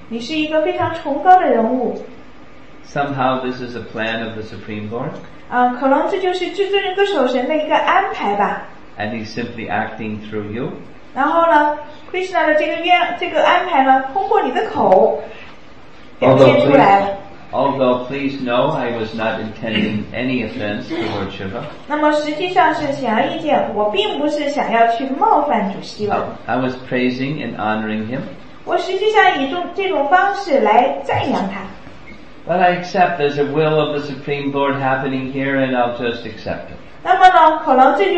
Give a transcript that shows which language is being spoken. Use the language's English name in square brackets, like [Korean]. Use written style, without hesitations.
[Chinese] 你是一个非常崇高的人物。 [English] Somehow this is a plan of the Supreme Lord. [Chinese] 可能这就是至尊人格守神的一个安排吧。 [English] And he's simply acting through you. [Chinese] 然后呢， Krishna 的这个安排呢，通过你的口。 [English] Although please know, I was not intending any offense to Lord Shiva. [Chinese] 那么实际上是显而易见，我并不是想要去冒犯主希�a。 [English] I was praising and honoring him. [Chinese] 我实际上以这种方式来赞扬他。 [English] But I accept there's a will of the Supreme Lord happening here, and I'll just accept it.